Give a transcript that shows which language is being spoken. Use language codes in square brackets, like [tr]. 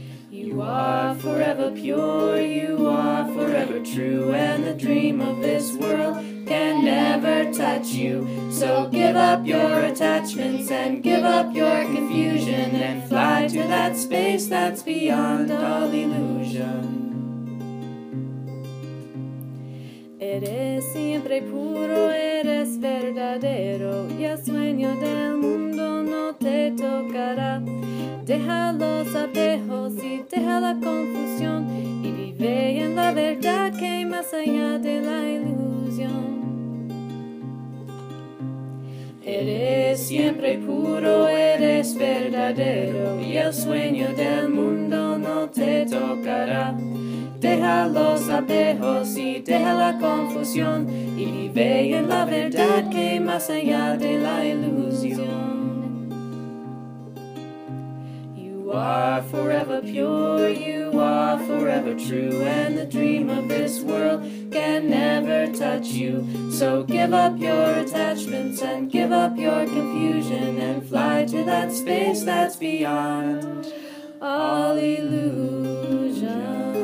[en] You are forever pure, you are forever true, and the dream of this world can never touch you. So give up your attachments and give up your confusion and fly to that space that's beyond all illusion. [es] Eres siempre puro, eres verdadero, y el sueño del mundo no te tocará. Deja los apegos y deja la confusión, y vive en la verdad que hay más allá de la ilusión. Eres siempre puro, eres verdadero, y el sueño del mundo no te tocará. Deja los apegos y deja la confusión y vive en la verdad que hay más allá de la ilusión. [en] You are forever pure, you are forever true, and the dream of this world can never touch you. So give up your attachments and give up your confusion and fly to that space that's beyond all illusion.